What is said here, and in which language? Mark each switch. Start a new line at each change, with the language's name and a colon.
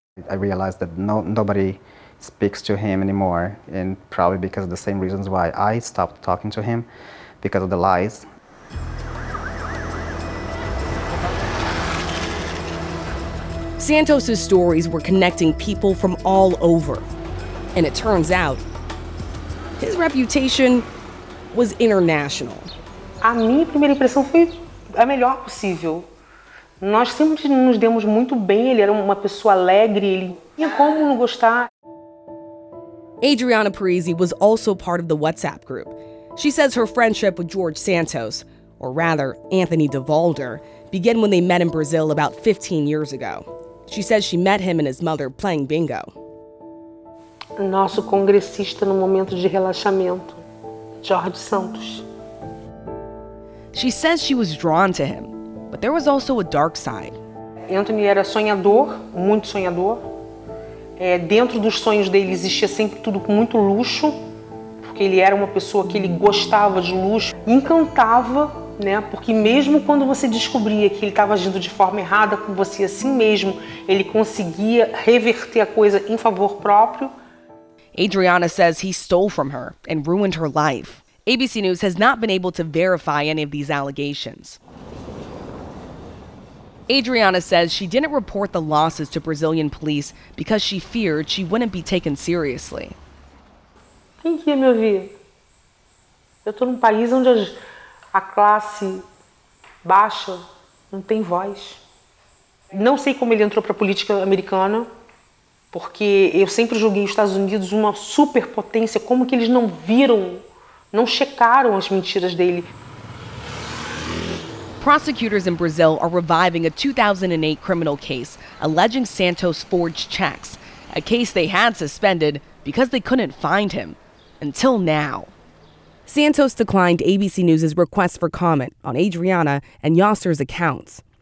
English: I realized that nobody speaks to him anymore, and probably because of the same reasons why I stopped talking to him, because of the lies. Santos's stories were connecting people from all over, and it turns out his reputation was international.
Portuguese: A minha primeira impressão foi a melhor possível. Nós sempre nos demos muito bem, ele era uma pessoa alegre, ele tinha como não gostar.
English: Adriana Parisi was also part of the WhatsApp group. She says her friendship with George Santos, or rather, Anthony DeValder, began when they met in Brazil about 15 years ago. She says she met him and his mother playing bingo.
Portuguese: Nosso congressista no momento de relaxamento, George Santos.
English: She says she was drawn to him, but there was also a dark side.
Portuguese: Anthony era sonhador, muito sonhador. Dentro dos sonhos dele existia sempre tudo com muito luxo, porque ele era uma pessoa que ele gostava de luxo, encantava, né? Porque mesmo quando você descobria que ele estava agindo de forma errada com você, assim mesmo, ele conseguia reverter a coisa em favor próprio.
English: Adriana says he stole from her and ruined her life. ABC News has not been able to verify any of these allegations. Adriana says she didn't report the losses to Brazilian police because she feared she wouldn't be taken seriously.
Portuguese: Quem ia me ouvir? Eu tô num país onde a classe baixa não tem voz. Não sei como ele entrou para a política americana, porque eu sempre julguei os Estados Unidos uma superpotência. Como que eles não viram, não checaram as mentiras dele?
English: Prosecutors in Brazil are reviving a 2008 criminal case alleging Santos forged checks, a case they had suspended because they couldn't find him until now. Santos declined ABC News' request for comment on Adriana and Yasser's accounts.